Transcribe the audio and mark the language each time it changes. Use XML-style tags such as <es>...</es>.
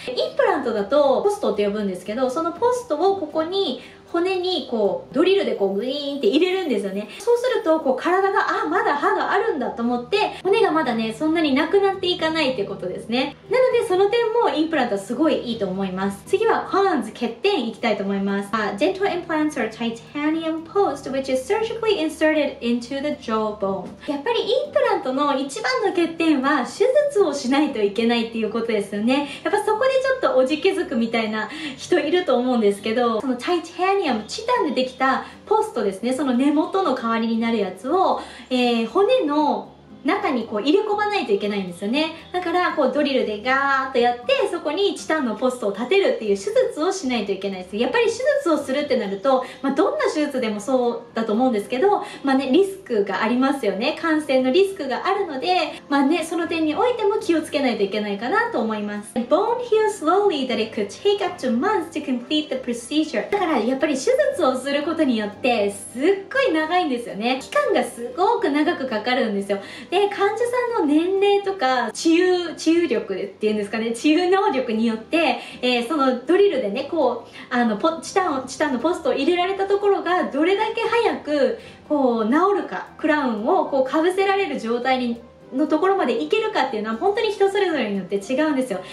<ja>インプラントだとポストって呼ぶんですけど、そのポストをここに骨にこうドリルでこうグイーンって入れるんですよね。そうするとこう体が、あ、まだ歯があるんだと思って、骨がまだねそんなになくなっていかないってことですね。なのでその点もインプラントはすごいいいと思います。次はコーンズ欠点いきたいと思います。</ja> <en>Dental implants are titanium post which is surgically inserted into the jawbone。</en> <ja>やっぱりインプラントの一番の欠点は手術をしないといけないっていうことですよね。やっぱそこでちょっとおじけづくみたいな人いると思うんですけど、そのチタンでできたポストですね、その根元の代わりになるやつを、骨の中にこう入れ込まないといけないんですよね。だからこうドリルでガーッとやって、そこにチタンのポストを立てるっていう手術をしないといけないです。やっぱり手術をするってなると、まあ、どんな手術でもそうだと思うんですけど、まあね、リスクがありますよね。感染のリスクがあるので、まあね、その点においても気をつけないといけないかなと思います。</ja> <en>Bone heal slowly that it could take up to months to complete the procedure。</en> <ja>だからやっぱり手術をすることによって、すっごい長いんですよね。期間がすごく長くかかるんですよ。で患者さんの年齢とか治癒力っていうんですかね、治癒能力によって、そのドリルでねこうチタンのポストを入れられたところがどれだけ早くこう治るか、クラウンをこうかぶせられる状態にのところまで行けるかっていうのは本当に人それぞれによって違うんですよ。</ja>